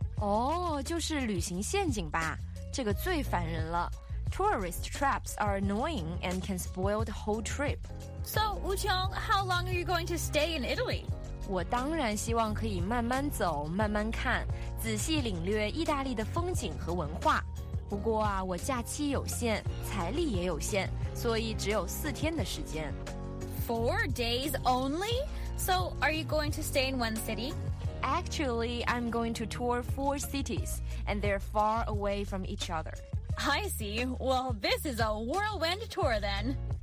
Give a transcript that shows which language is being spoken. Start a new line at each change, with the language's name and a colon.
Chinese: Oh, 就是旅行陷阱吧，这个最烦人了。
English: Tourist traps are annoying and can spoil the whole trip. So, Wu Qiong, how long are you going to stay in Italy?
Chinese: 我当然希望可以慢慢走，慢慢看，仔细领略意大利的风景和文化。不过啊，我假期有限，财力也有限，所以只有四天的时间。
English: Four days only? So, are you going to stay in one city? Actually, I'm going to tour four cities, and they're far away from each other. I see. Well, this is a whirlwind tour then.